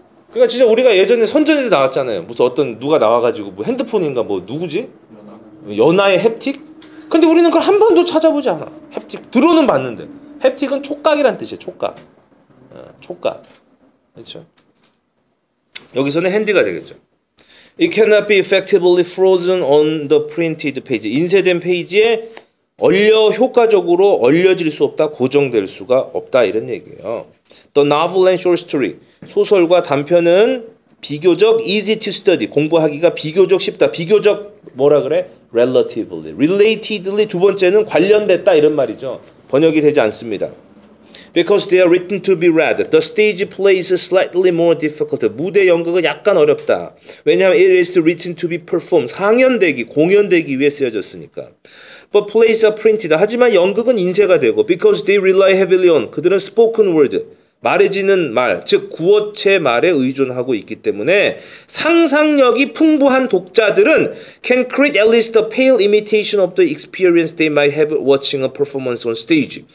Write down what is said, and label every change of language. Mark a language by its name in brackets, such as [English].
[Korean] 그러니까 진짜 우리가 예전에 선전에도 나왔잖아요. 무슨 어떤 누가 나와가지고 뭐 핸드폰인가 뭐 누구지? 연아의 햅틱? 근데 우리는 그걸 한 번도 찾아보지 않아. 햅틱. 들어는 봤는데. 햅틱은 촉각이란 뜻이에요. 촉각. 촉각. 그렇죠? 여기서는 핸디가 되겠죠. [English] It cannot be effectively frozen on the printed page. [Korean] 인쇄된 페이지에 얼려 효과적으로 얼려질 수 없다. 고정될 수가 없다. 이런 얘기예요. [English] The novel and short story. [Korean] 소설과 단편은 비교적 [English] easy to study. [Korean] 공부하기가 비교적 쉽다. 비교적 뭐라 그래? relatively, relatedly 두 번째는 관련됐다 이런 말이죠. 번역이 되지 않습니다. [English] Because they are written to be read, the stage play is slightly more difficult. [Korean] 무대 연극은 약간 어렵다. 왜냐하면 [English] it is written to be performed. [Korean] 상연되기, 공연되기 위해 쓰여졌으니까. [English] But plays are printed. [Korean] 하지만 연극은 인쇄가 되고 [English] because they rely heavily on [Korean] 그들은 [English] spoken word [Korean] 말해지는 말, 즉 구어체 말에 의존하고 있기 때문에 상상력이 풍부한 독자들은 [English] can create at least a pale imitation of the experience they might have watching a performance on stage.